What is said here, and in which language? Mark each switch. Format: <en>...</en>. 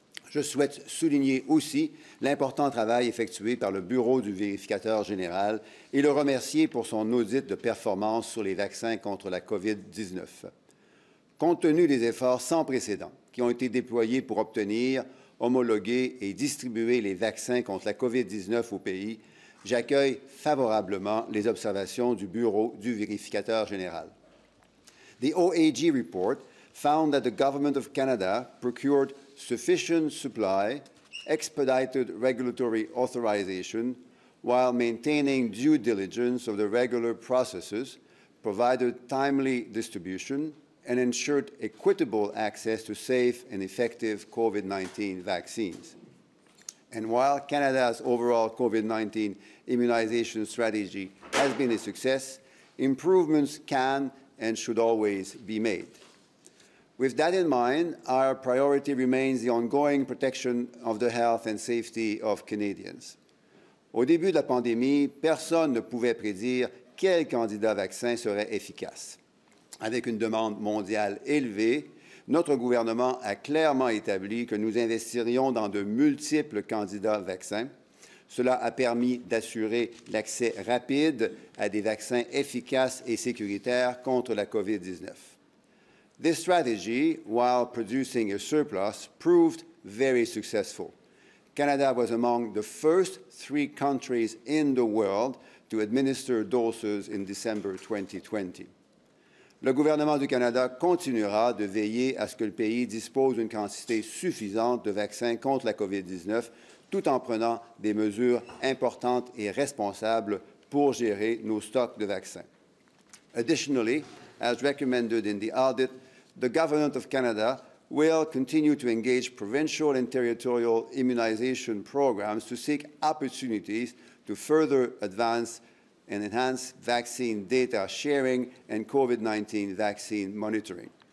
<fr>Je souhaite souligner aussi l'important travail effectué par le Bureau du vérificateur général et le remercier pour son audit de performance sur les vaccins contre la COVID-19. Compte tenu des efforts sans précédent qui ont été déployés pour obtenir, homologuer et distribuer les vaccins contre la COVID-19 au pays, j'accueille favorablement les observations du Bureau du vérificateur général.</fr> <en>The OAG report found that the Government of Canada procured sufficient supply, expedited regulatory authorization, while maintaining due diligence of the regular processes, provided timely distribution, and ensured equitable access to safe and effective COVID-19 vaccines. And while Canada's overall COVID-19 immunization strategy has been a success, improvements can and should always be made. With that in mind, our priority remains the ongoing protection of the health and safety of Canadians.</en> <fr>Au début de la pandémie, personne ne pouvait prédire quel candidat vaccin serait efficace. Avec une demande mondiale élevée, notre gouvernement a clairement établi que nous investirions dans de multiples candidats vaccins. Cela a permis d'assurer l'accès rapide à des vaccins efficaces et sécuritaires contre la COVID-19.</fr> <en>This strategy, while producing a surplus, proved very successful. Canada was among the first three countries in the world to administer doses in December 2020.</en> <fr>Le gouvernement du Canada continuera de veiller à ce que le pays dispose d'une quantité suffisante de vaccins contre la COVID-19, tout en prenant des mesures importantes et responsables pour gérer nos stocks de vaccins.</fr> <en>Additionally, as recommended in the audit, the Government of Canada will continue to engage provincial and territorial immunization programs to seek opportunities to further advance and enhance vaccine data sharing and COVID-19 vaccine monitoring.</en>